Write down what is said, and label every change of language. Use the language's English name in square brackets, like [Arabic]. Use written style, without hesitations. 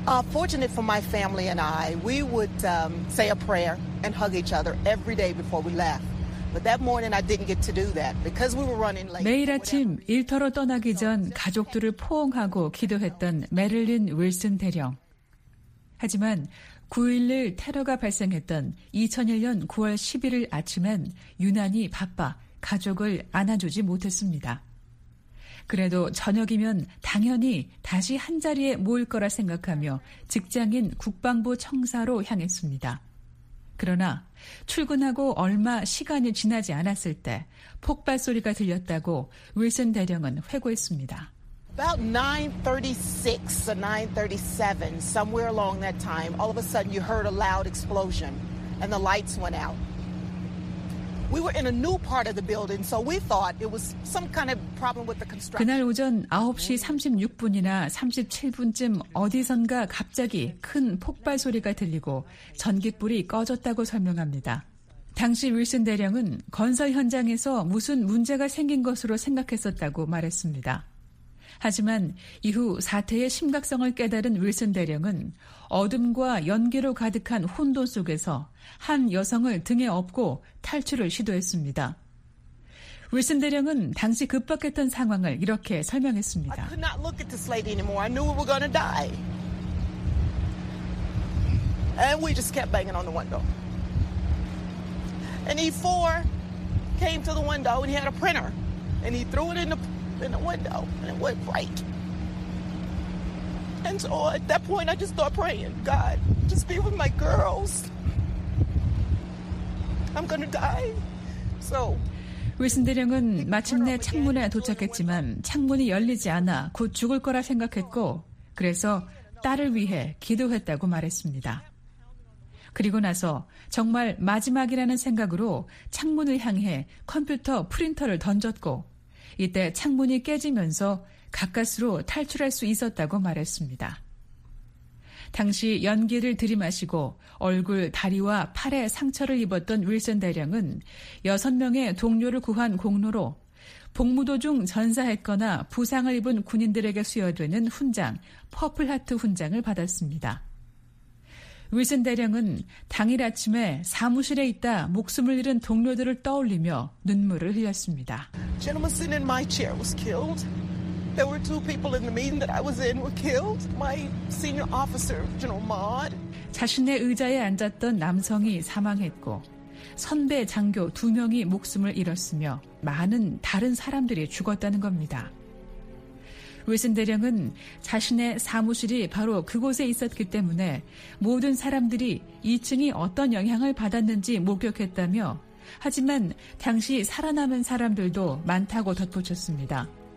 [English] Fortunate for my family and I, we would say a prayer and hug each other every day before we left. But that morning I didn't get to do that because we were running late. [Korean] 매일 아침 일터로 떠나기 전 가족들을 포옹하고 기도했던 메릴린 윌슨 대령. 하지만 9.11 테러가 발생했던 2001년 9월 11일 아침엔 유난히 바빠 가족을 안아주지 못했습니다. 그래도 저녁이면 당연히 다시 한자리에 모일 거라 생각하며 직장인 국방부 청사로 향했습니다. 그러나 출근하고 얼마 시간이 지나지 않았을 때 폭발 소리가 들렸다고 윌슨 대령은 회고했습니다. [English] About 9:36 or 9:37, somewhere along that time, all of a sudden you heard a loud explosion and the lights went out. We were in a new part of the building, so we thought it was some kind of problem with the construction. [Korean] 그날 오전 9시 36분이나 37분쯤 어디선가 갑자기 큰 폭발 소리가 들리고 전기불이 꺼졌다고 설명합니다. 당시 윌슨 대령은 건설 현장에서 무슨 문제가 생긴 것으로 생각했었다고 말했습니다. 하지만 이후 사태의 심각성을 깨달은 윌슨 대령은 어둠과 연기로 가득한 혼돈 속에서 한 여성을 등에 업고 탈출을 시도했습니다. 윌슨 대령은 당시 급박했던 상황을 이렇게 설명했습니다. [English] I could not look at this lady anymore. I knew we were going to die. And we just kept banging on the window. And E4 came to the window and he had a printer. And he threw it in the window and it went bright. And so at that point I just started praying, God, just be with my girls. I'm gonna die. So [Korean] 윌슨 대령은 마침내 창문에 도착했지만 창문이 열리지 않아 곧 죽을 거라 생각했고 그래서 딸을 위해 기도했다고 말했습니다. 그리고 나서 정말 마지막이라는 생각으로 창문을 향해 컴퓨터 프린터를 던졌고 이때 창문이 깨지면서 가까스로 탈출할 수 있었다고 말했습니다. 당시 연기를 들이마시고 얼굴, 다리와 팔에 상처를 입었던 윌슨 대령은 6명의 동료를 구한 공로로 복무 도중 전사했거나 부상을 입은 군인들에게 수여되는 훈장, 퍼플하트 훈장을 받았습니다. 윌슨 대령은 당일 아침에 사무실에 있다 목숨을 잃은 동료들을 떠올리며 눈물을 흘렸습니다. [English] Gentlemen sitting in my chair was killed. There were two people in the meeting that I was in were killed. My senior officer, General Maud. [Korean] 자신의 의자에 앉았던 남성이 사망했고 선배 장교 두 명이 목숨을 잃었으며 많은 다른 사람들이 죽었다는 겁니다. 윌슨 대령은 자신의 사무실이 바로 그곳에 있었기 때문에 모든 사람들이 2층이 어떤 영향을 받았는지 목격했다며 하지만 당시 살아남은 사람들도 많다고 덧붙였습니다.